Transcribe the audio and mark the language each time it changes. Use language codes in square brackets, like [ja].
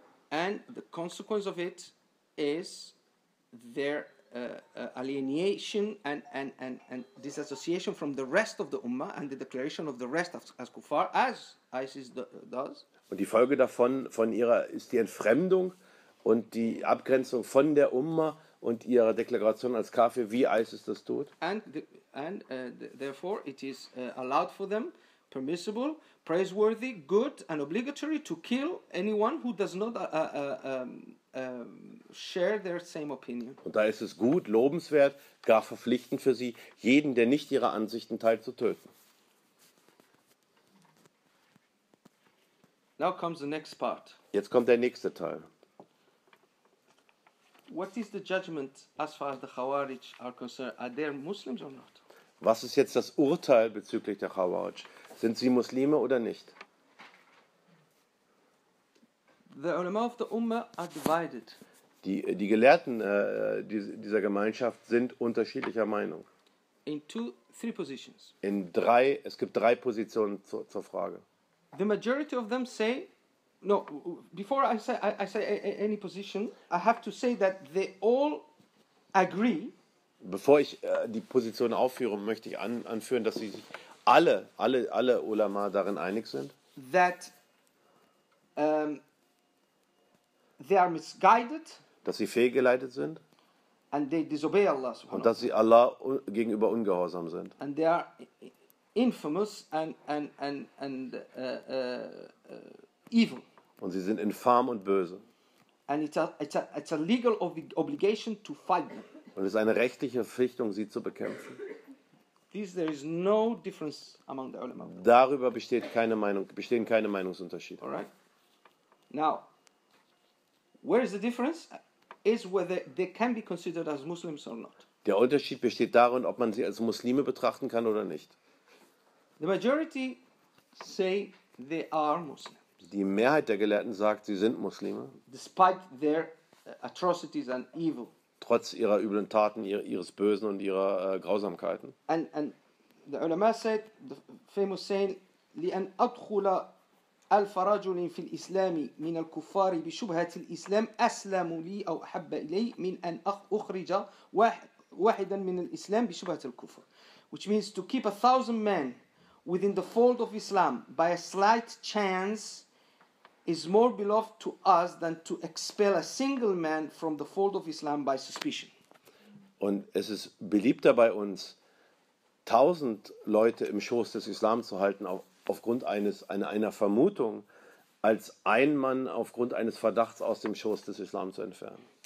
[en] And the consequence of it is their alienation and disassociation from the rest of the ummah and the declaration of the rest as kuffar as ISIS does. [de] Und die Folge davon von ihrer ist die Entfremdung und die Abgrenzung von der Ummah und ihrer Deklaration als Kafir, wie ISIS das tut. [en] And therefore it is allowed for them, permissible, praiseworthy, good and obligatory to kill anyone who does not share their same opinion. [de] Und da ist es gut, lobenswert, gar verpflichtend für sie, jeden, der nicht ihre Ansichten teilt, zu töten. [en] Now comes the next part. [de] Jetzt kommt der nächste Teil. [en] What is the judgment as far as the Khawarij are concerned? Are they Muslims or not? [de] Was ist jetzt das Urteil bezüglich der Khawarij? Sind sie Muslime oder nicht? [en] The ulama of the Ummah are divided. [de] Die Gelehrten dieser Gemeinschaft sind unterschiedlicher Meinung. [en] in two, three positions. [de] In drei, es gibt drei Positionen zur Frage. [en] The majority of them say, no, before I say any position, I have to say that they all agree. [de] Bevor ich die Position aufführe, möchte ich anführen, dass sie sich alle Ulama darin einig sind. [en] That they are misguided. [de] Dass sie fehlgeleitet sind. [en] And they disobey Allah. [de] Und dass sie Allah gegenüber ungehorsam sind. [en] And they are infamous and evil. [de] Und sie sind infam und böse. [en] And it's a legal obligation to fight them. [de] Und es ist eine rechtliche Verpflichtung, sie zu bekämpfen. [en] There is no difference among the ulama. [de] Darüber bestehen keine Meinungsunterschiede. [en] All right. Now, where is the difference? Is whether they can be considered as Muslims or not. [de] Der Unterschied besteht darin, ob man sie als Muslime betrachten kann oder nicht. [en] The majority say they are Muslims. [de] Die Mehrheit der Gelehrten sagt, sie sind Muslime. [en] Despite their atrocities and evil. [de] Trotz ihrer üblen Taten, ihres Bösen und ihrer Grausamkeiten. [en] And the ulama said, the famous saying, [ar] لأن أدخل ألف رجل في الإسلام من الكفار بشبهة الإسلام أسلم لي أو أحب إلي من أن أخرج واحدا من الإسلام بشبهة الكفر. [en] Which means to keep 1,000 men within the fold of Islam by a slight chance is more beloved to us than to expel a single man from the fold of Islam by suspicion. [de] Und es ist beliebter bei uns, 1,000 Leute im Schoß des Islam zu halten aufgrund einer Vermutung, als ein Mann aufgrund eines Verdachts aus dem Schoß des Islam zu entfernen.